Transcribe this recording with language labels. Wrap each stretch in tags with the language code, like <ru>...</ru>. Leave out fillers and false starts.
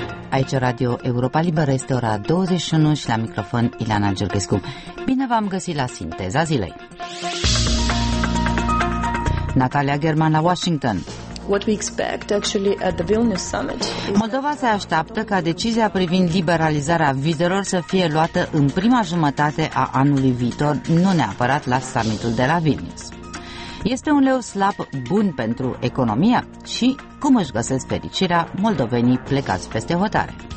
<ro>Aici Radio Europa Liberă, este ora 21 și la microfon Ileana Giurgescu. Bine v-am găsit la Sinteza Zilei. Natalia German la Washington.</ro> <en>What we expect actually at the Vilnius summit.</en> <ro>Moldova se așteaptă ca decizia privind liberalizarea vizelor să fie luată în prima jumătate a anului viitor, nu neapărat la summitul de la Vilnius. Este un leu slab bun pentru economia și cum își găsesc fericirea moldovenii plecați peste hotare?</ro>